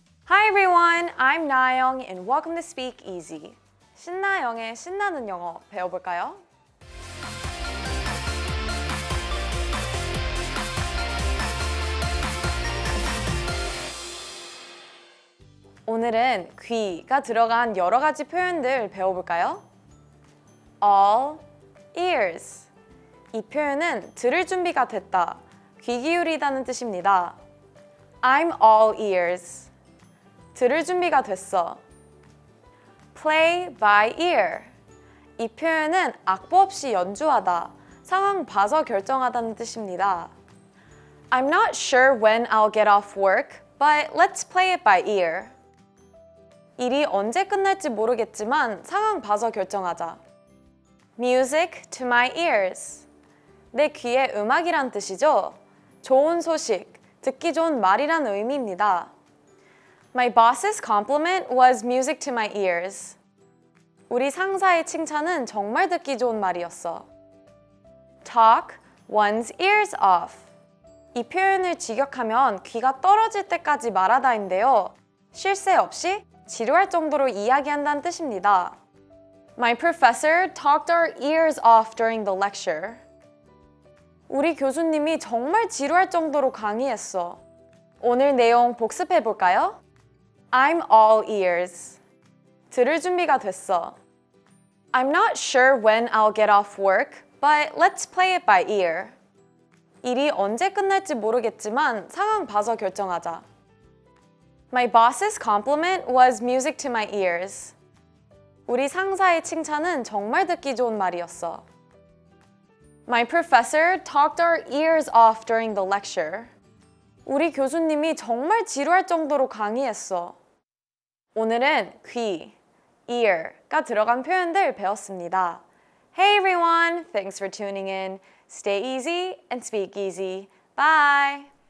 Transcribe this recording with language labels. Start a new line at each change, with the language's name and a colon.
English: Hi everyone, I'm Nayoung and welcome to Speak Easy.
Korean: 신나영의 신나는 영어 배워볼까요? 오늘은 귀가 들어간 여러 가지 표현들 배워볼까요?
English: All ears.
Korean: 이 표현은 들을 준비가 됐다, 귀 기울이다는 뜻입니다.
English: I'm all ears.
Korean: 들을 준비가 됐어.
English: Play by ear.
Korean: 이 표현은 악보 없이 연주하다, 상황 봐서 결정하다는 뜻입니다.
English: I'm not sure when I'll get off work, but let's play it by ear.
Korean: 일이 언제 끝날지 모르겠지만 상황 봐서 결정하자.
English: Music to my ears.
Korean: 내 귀에 음악이란 뜻이죠. 좋은 소식, 듣기 좋은 말이란 의미입니다.
English: My boss's compliment was music to my ears.
Korean: 우리 상사의 칭찬은 정말 듣기 좋은 말이었어.
English: Talk one's ears off.
Korean: 이 표현을 직역하면 귀가 떨어질 때까지 말하다인데요. 쉴새 없이 지루할 정도로 이야기한다는 뜻입니다.
English: My professor talked our ears off during the lecture.
Korean: 우리 교수님이 정말 지루할 정도로 강의했어. 오늘 내용 복습해 볼까요?
English: I'm all ears.
Korean: 들을 준비가 됐어.
English: I'm not sure when I'll get off work, but let's play it by ear.
Korean: 일이 언제 끝날지 모르겠지만 상황 봐서 결정하자.
English: My boss's compliment was music to my ears.
Korean: 우리 상사의 칭찬은 정말 듣기 좋은 말이었어.
English: My professor talked our ears off during the lecture.
Korean: 우리 교수님이 정말 지루할 정도로 강의했어. 오늘은 귀, ear가 들어간 표현들 배웠습니다.
English: Hey everyone, thanks for tuning in. Stay easy and speak easy. Bye!